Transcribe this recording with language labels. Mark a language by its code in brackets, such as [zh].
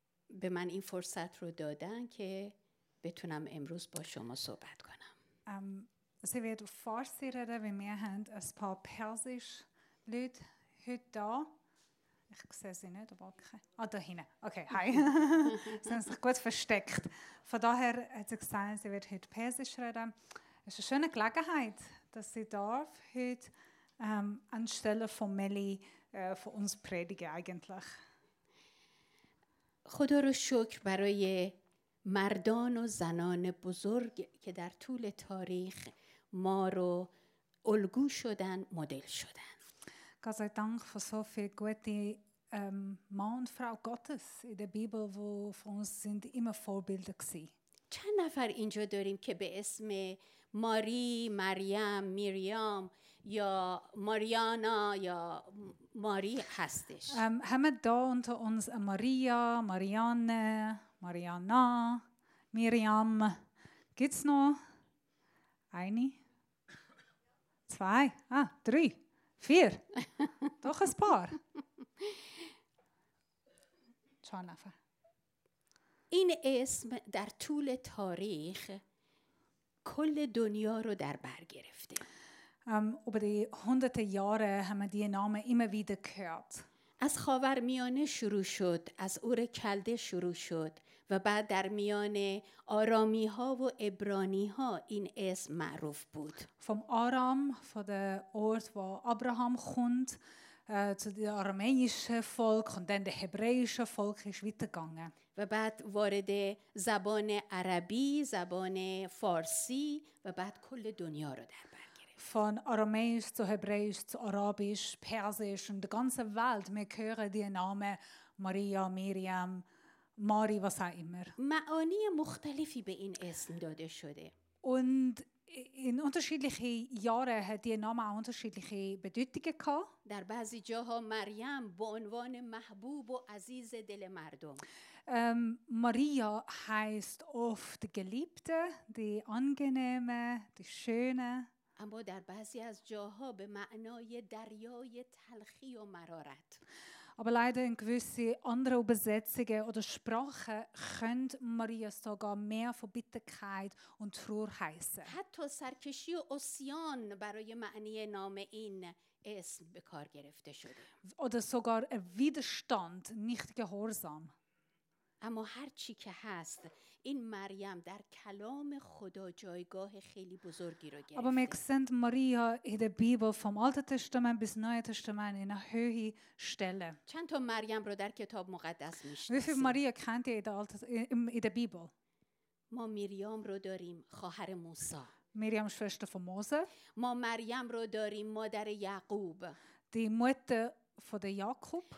[fa] به من این فرصت رو دادن که بتونم امروز با شما صحبت کنم. [de] Sie wird Farsi reden, wie wir haben ein paar Persisch-Leute heute da. Ich sehe sie nicht, aber okay. Ah, da hinten. Okay, hi. Sie haben sich gut versteckt. Von daher hat sie gesagt, sie wird heute Persisch reden. Es ist eine schöne Gelegenheit, dass sie darf heute anstelle von Melli für uns predigen eigentlich. [fa] خدا رو شکر برای مردان و زنان بزرگ که در طول تاریخ ما رو الگو شدن، مدل شدن. [de] Gott sei Dank für so viele gute Mann und Frau Gottes in der Bibel, wo für uns sind immer Vorbilder gsi. [fa] چند نفر اینجا داریم که به اسم ماری، مریم، میریام یا ماریانا یا ماری هستش. همه دا [de] unter uns [fa] ماریا، ماریانه، ماریانا، میریام. [de] gibt's noch eine? zwei? ah, drei? vier? doch ein paar. [fa] چند نفر. این اسم در طول تاریخ کل دنیا رو در بر گرفته. [de] Über die hunderte Jahre haben wir die Namen immer wieder gehört. [fa] از خاورمیانه شروع شد، از اور کلده شروع شد و بعد در میان آرامی ها و عبرانی ها این اسم معروف بود. [de] Vom Aram, von der Ort, wo Abraham kommt, zu der aramäische Volk und dann der hebräische Volk ist weitergegangen. [fa] و بعد وارد زبان عربی، زبان فارسی و بعد کل دنیا رو در بر گرفت. [de] Von Aramäisch zu Hebräisch zu Arabisch, Persisch und der ganze Welt. Wir hören die Namen Maria, Miriam, Mari, was auch immer. [fa] معانی مختلفی به این اسم داده شده. [de] Und in unterschiedlichen Jahren hat die Name auch unterschiedliche Bedeutungen gehabt. [fa] در بعضی جاها مریم به عنوان محبوب و عزیز دل مردم. [de] Maria heißt oft geliebte, die angenehme, die schöne. [fa] اما در بعضی از جاها به معنای دریای تلخی و مرارت. [de] Aber leider in gewisse andere Übersetzungen oder Sprachen könnt Maria sogar mehr von Bitterkeit und Trauer heißen. [fa] حتی سرکشی و عصیان برای معنی نام این اسم به کار گرفته شده. [de] Oder sogar ein Widerstand, nicht gehorsam. [fa] اما هر چی که هست این مریم در کلام خدا جایگاه خیلی بزرگی رو گرفت. اما میکسند [de] ماریا in der Bibel vom Alten Testament bis Neue Testament in einer höheren Stelle. [fa] چند تا مریم رو در کتاب مقدس میشناسید؟ [de] Wie viel Maria kennt ihr in der Bibel? [fa] ما میریام رو داریم، خواهر موسی. [de] Miriam Schwester von Mose. [fa] ما مریم رو داریم، مادر یعقوب. [de] Die Mutter von der Jakob.